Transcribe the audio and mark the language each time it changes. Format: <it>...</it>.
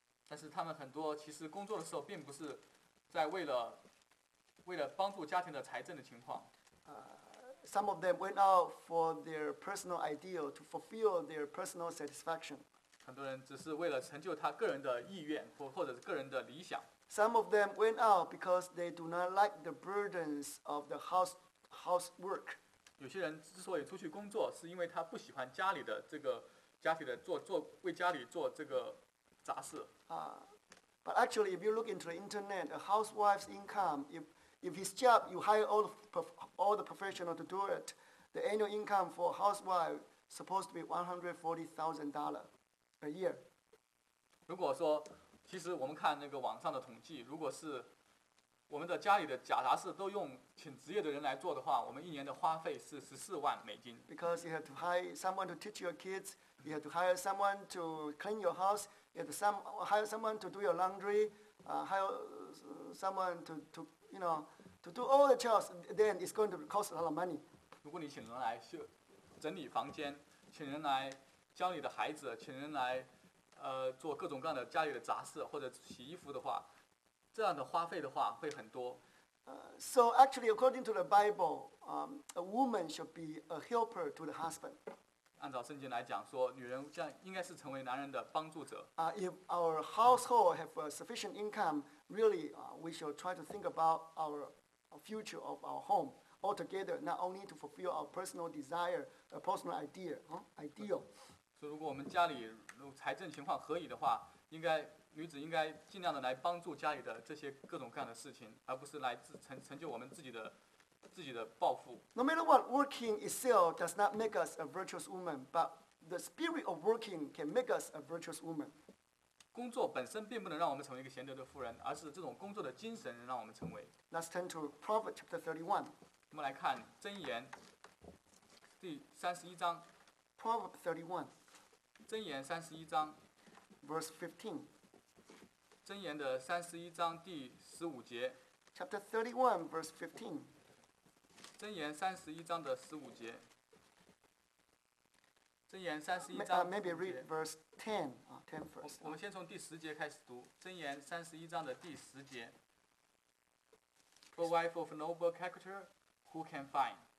<zh>但是他们很多其实工作的时候并不是在为了帮助家庭的财政的情况。</zh> <en>Some of them went out for their personal ideal to fulfill their personal satisfaction.</en> <zh>很多人只是为了成就他个人的意愿或者是个人的理想。</zh> <en>Some of them went out because they do not like the burdens of the housework.</en> <zh>有些人之所以出去工作是因为他不喜欢家里的这个家庭的做为家里做这个杂事。</zh> <en>But actually, if you look into the internet, a housewife's income, if his job, you hire all the professionals to do it, the annual income for a housewife is supposed to be $140,000 a year.</en> <zh>如果说，其实我们看那个网上的统计，如果是我们的家里的假杂事都用请职业的人来做的话，我们一年的花费是$140,000。</zh> <en>Because you have to hire someone to teach your kids, you have to hire someone to clean your house. Hire someone to do your laundry, hire someone to do all the chores, then it's going to cost a lot of money.</en> <zh>如果你请人来整理房间，请人来教你的孩子，请人来做各种各样的家里的杂事或者洗衣服的话，这样的花费的话会很多。</zh> <en>So actually, according to the Bible, a woman should be a helper to the husband.</en> <zh>按照圣经来讲说，女人将应该是成为男人的帮助者。</zh> <en>If our household have a sufficient income, really, we should try to think about our future of our home, altogether, not only to fulfill our personal desire, a personal idea, ideal.</en> <zh>所以如果我们家里财政情况可以的话，应该女子应该尽量的来帮助家里的这些各种各样的事情，而不是来成就我们自己的抱负。</zh> <en>No matter what, working itself does not make us a virtuous woman, but the spirit of working can make us a virtuous woman.</en> <zh>工作本身并不能让我们成为一个贤德的妇人，而是这种工作的精神能让我们成为。</zh> <en>Let's turn to Proverbs chapter 31.</en> <zh>我们来看箴言第31章。</zh> <en>Proverbs 31.</en> <zh>箴言31章。</zh> <en>Verse 15.</en> <zh>箴言的31章第15节。</zh> <en>Chapter 31, verse 15.</en> <zh>箴言31章的15节。</zh> <en>Maybe read verse 10, 10 first.</en> <zh>我们先从第十节开始读，箴言31章的第十节。</zh> <en>A wife of noble character, who can find?</en>